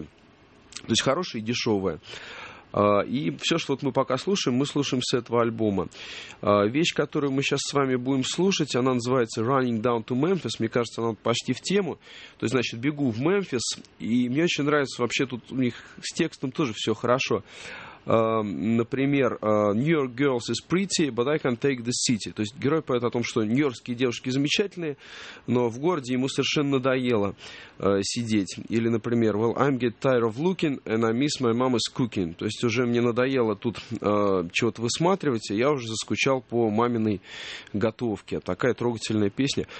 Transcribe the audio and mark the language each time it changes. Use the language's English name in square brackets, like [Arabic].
[Russian] То есть хорошее и дешевое. И все, что вот мы пока слушаем, мы слушаем с этого альбома. Вещь, которую мы сейчас с вами будем слушать, она называется «Running Down to Memphis». Мне кажется, она почти в тему. То есть, значит, «Бегу в Мемфис». И мне очень нравится вообще тут у них с текстом тоже все хорошо. Например, [English] «New York girls is pretty, but I can take the city». [Russian] То есть герой поет о том, что нью-йоркские девушки замечательные, но в городе ему совершенно надоело сидеть. Или, например, [English] «Well, I'm get tired of looking, and I miss my mama's cooking». [Russian] То есть уже мне надоело тут чего-то высматривать, я уже заскучал по маминой готовке. Такая трогательная песня.